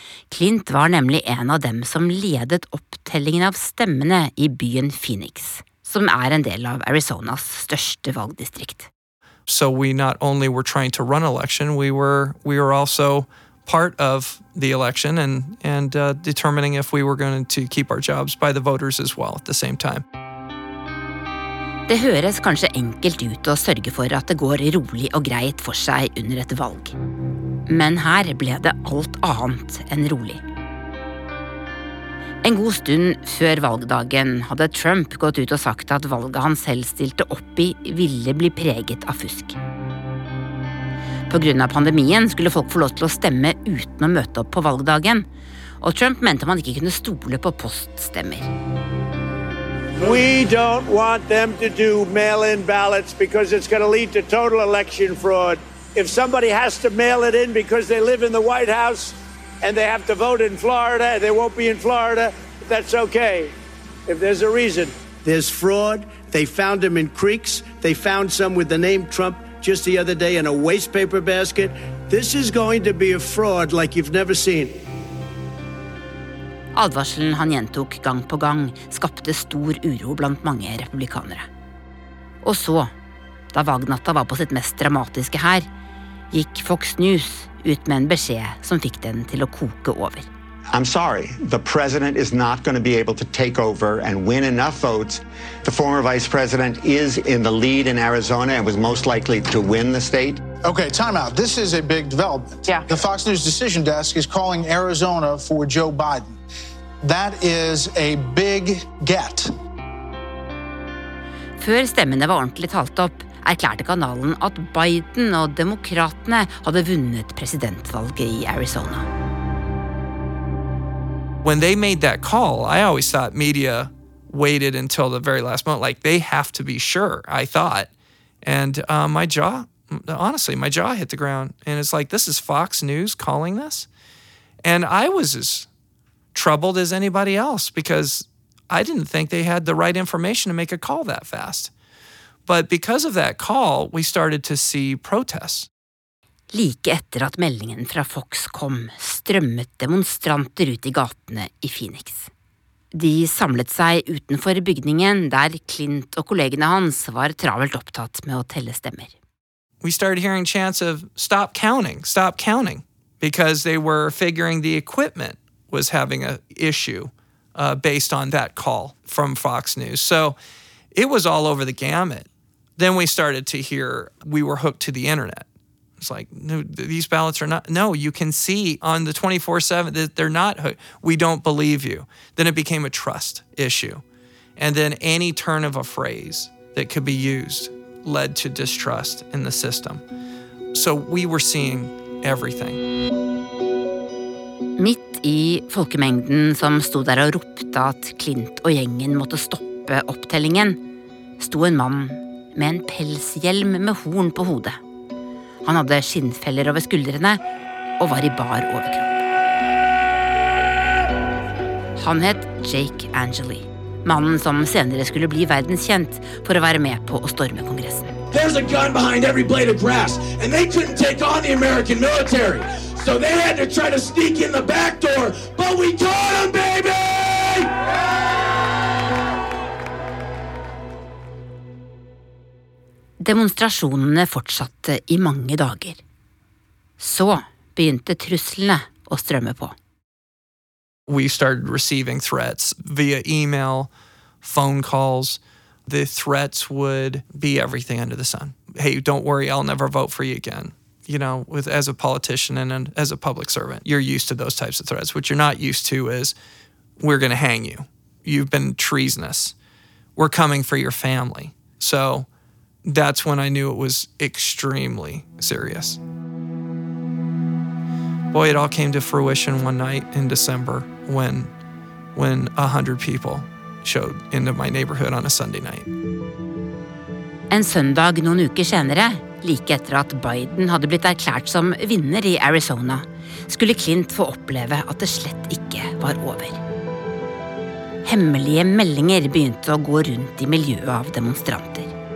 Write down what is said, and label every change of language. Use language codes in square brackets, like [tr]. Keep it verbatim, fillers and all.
[no] Clint var nemlig en av dem som ledet opptellingen av stemmene i byen Phoenix, som er en del av Arizonas største valgdistrikt. [en] So we not only were trying to run election, we were we were also part of the election and and uh, determining if we were going to keep our jobs by the voters as well at the same time. [no] Det høres kanskje enkelt ut å sørge for at det går rolig og greit for seg under et valg. Men her ble det alt annet enn rolig. En god stund før valgdagen hadde Trump gått ut og sagt at valget han selv stilte opp i ville bli preget av fusk. På grunn av pandemien skulle folk få lov til å stemme uten å møte opp på valgdagen, og Trump mente man ikke kunne stole på poststemmer. [en] We don't want them to do mail-in ballots because it's going to lead to total election fraud. If somebody has to mail it in because they live in the White House and they have to vote in Florida and they won't be in Florida, that's okay. If there's a reason. There's fraud. They found them in creeks. They found some with the name Trump just the other day in a waste paper basket. This is going to be a fraud like you've never seen. [no] Advarselen han gjentok gang på gang skapte stor uro blant mange republikanere. Og så, da valgnatta var på sitt mest dramatiske her, gikk Fox News ut med en beskjed som fikk den til å koke over. [en] I'm sorry, the president is not going to be able to take over and win enough votes. The former vice president is in the lead in Arizona and was most likely to win the state. Okay, time out. This is a big development. Yeah. The Fox News decision desk is calling Arizona for Joe Biden. That is a big get. [no] Før stemmene var ordentlig talt opp, erklærte kanalen at Biden og demokratene hadde vunnet presidentvalget i Arizona. [en] When they made that call, I always thought media waited until the very last moment. Like, they have to be sure, I thought. And uh, my jaw, honestly, my jaw hit the ground. And it's like, this is Fox News calling this? And I was as troubled as anybody else because I didn't think they had the right information to make a call that fast. But because of that call, we started to see protests. [no] Like etter at meldingen fra Fox kom, strømmet demonstranter ut i gatene i Phoenix. De samlet seg utenfor bygningen der Clint og kollegene hans var travelt opptatt med å telle stemmer. [en] We started hearing chants of stop counting, stop counting, because they were figuring the equipment was having an issue uh, based on that call from Fox News. So it was all over the gamut. Then we started to hear we were hooked to the internet. It's like, no, these ballots are not, no, you can see on the twenty-four seven that they're not, we don't believe you. Then it became a trust issue. And then any turn of a phrase that could be used led to distrust in the system. So we were seeing everything. [no] Midt i folkemengden som stod der og ropte at Clint og gjengen måtte stoppe opptellingen, sto en mann med en pelshjelm med horn på hodet. Han hadde skinnfeller over skuldrene og var i bar overkropp. Han het Jake Angeli, mannen som senere skulle bli verdenskjent for å være med på å storme kongressen. [en] There's a gun behind every blade of grass, and they couldn't take on the American military. So they had to try to sneak in the back door, but we caught them, baby! [no] Demonstrasjonene fortsatte I mange dager. Så begynte truslene å strømme på. [en] We started receiving threats via email, phone calls. The threats would be everything under the sun. Hey, don't worry, I'll never vote for you again. You know, with as a politician and an, as a public servant, you're used to those types of threats. What you're not used to is we're going to hang you. You've been treasonous. We're coming for your family. So that's when I knew it was extremely serious. Boy, it all came to fruition one night in December when when one hundred people showed into my neighborhood on a Sunday night. [no] En søndag noen uker senere, like etter at Biden hadde blitt erklært som vinner I Arizona, skulle Clint få oppleve at det slett ikke var over. Hemmelige meldinger begynte å gå rundt I miljøet av demonstranter.